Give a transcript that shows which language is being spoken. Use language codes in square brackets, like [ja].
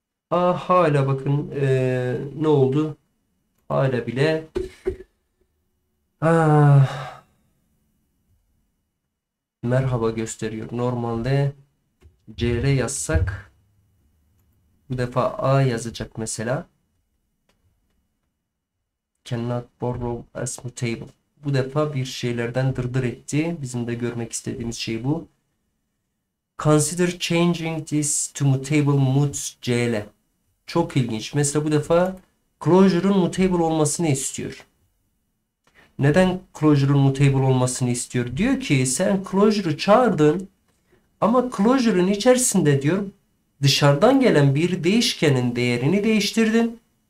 [tr] A hala bakın ne oldu? Hala bile merhaba gösteriyor. Normalde CR yazsak bu defa A yazacak mesela. [en] Cannot borrow as mutable. [tr] Bu defa bir şeylerden dırdır etti. Bizim de görmek istediğimiz şey bu. [en] Consider changing this to mutable mut CL. [tr] Çok ilginç. Mesela bu defa closure'un mutable olmasını istiyor. Neden closure'un mutable olmasını istiyor? Diyor ki sen closure'u çağırdın ama closure'un içerisinde diyor dışarıdan gelen bir değişkenin değerini değiştirdin.